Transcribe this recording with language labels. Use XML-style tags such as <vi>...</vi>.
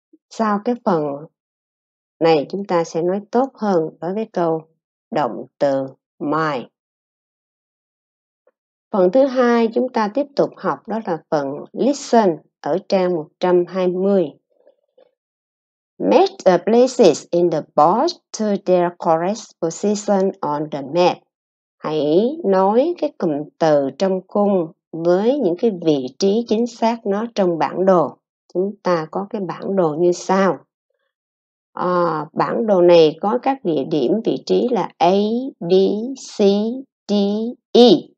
<vi>Sau cái phần này, chúng ta sẽ nói tốt hơn với cái câu động từ my. Phần thứ hai chúng ta tiếp tục học đó là phần listen ở trang 120.</vi> <en>Match the places in the board to their correct position on the map.</en> <vi>Hãy nói cái cụm từ trong khung với những cái vị trí chính xác nó trong bản đồ. Chúng ta có cái bản đồ như sau. Bản đồ này có các địa điểm vị trí là A, B, C, D, E.</vi>